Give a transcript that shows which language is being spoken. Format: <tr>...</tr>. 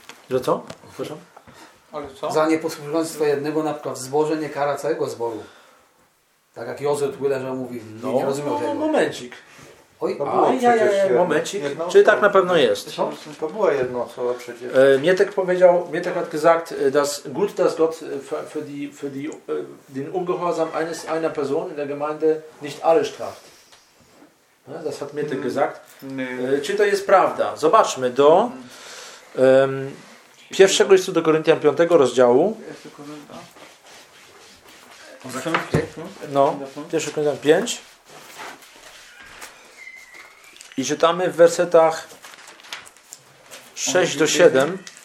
<pl>Że co? Słyszę? Ale co? Za nieposłuszeństwo jednego na przykład w zborze nie kara całego zboru. Tak jak Józef Tuileża mówi, no, nie rozumiem tego. No, momencik. Oj, momencik. Czy tak na pewno jest? To było jedno słowo przecież. Mietek powiedział,</pl> <de>Mietek hat gesagt, dass gut das Gott für die den Ungehorsam eines einer Person in der Gemeinde nicht alle straft. Das hat Mietek gesagt.</de> <pl>Czy to jest prawda? Zobaczmy do pierwszego listu do Koryntian 5 rozdziału. No, pierwszy Koryntian 5. I czytamy w wersetach 6 do 7.</pl>